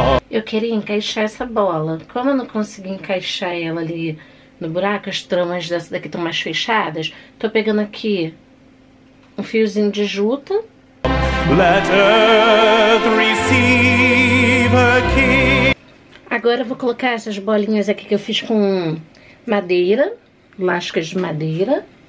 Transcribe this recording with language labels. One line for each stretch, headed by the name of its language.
Portuguese: Eu queria encaixar essa bola. Como eu não consegui encaixar ela ali no buraco, as tramas dessa daqui estão mais fechadas, tô pegando aqui um fiozinho de juta.
English: Let Earth receive a king.
Portuguese: Agora eu vou colocar essas bolinhas aqui que eu fiz com madeira, lascas de madeira.